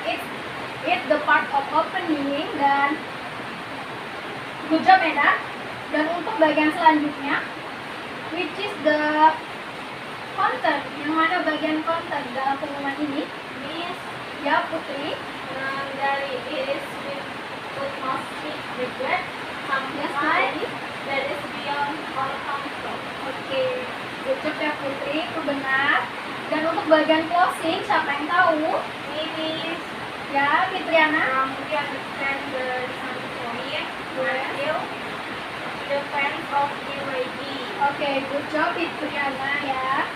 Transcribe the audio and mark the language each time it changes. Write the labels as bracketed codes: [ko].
[en] It's the part of opening, dan good job, Meda. [id] Dan untuk bagian selanjutnya, which is the konten, yang mana bagian konten dalam pengumuman ini? [en] Miss, [id] ya Putri. [en] Dari it is with most regret sampai that is beyond our control. [id] Oke, cukup ya Putri, itu benar. Dan untuk bagian closing, siapa yang tahu? [en] Miss, [id] ya Fitriana. [en] Mungkin the fans dari Sanjoyi, the fans of UAB. Oke, good job Fitriana ya.